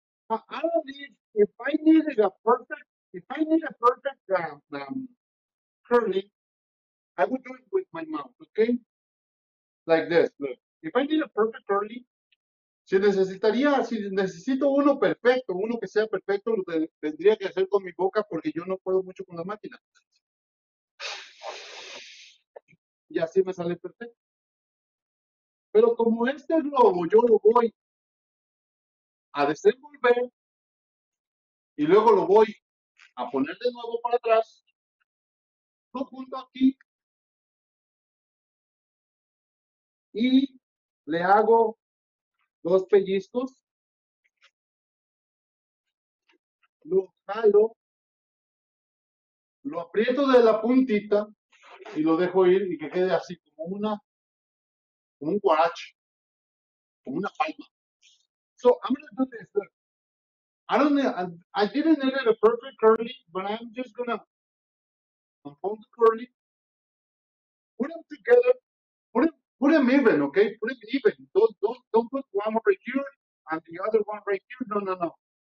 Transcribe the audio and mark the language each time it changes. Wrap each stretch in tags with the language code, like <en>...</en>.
<en>Oh. But out of these, if I needed a perfect, curly, I would do it with my mouth, okay? Like this, look. If I need a perfect curly,</en> <es>si necesitaría, si necesito uno perfecto, uno que sea perfecto, lo tendría que hacer con mi boca porque yo no puedo mucho con la máquina. Y así me sale perfecto. Pero como este globo yo lo voy a desenvolver y luego lo voy a poner de nuevo para atrás, lo junto aquí y le hago dos pellizcos, lo jalo, lo aprieto de la puntita y lo dejo ir y que quede así como una, como un guarache, como una palma.</es> <en>So I'm gonna do this. I didn't need it a perfect curly, but I'm just gonna unfold the curly, put them together, put them even, okay? Put them even. Don't put one right here and the other one right here. No.</en>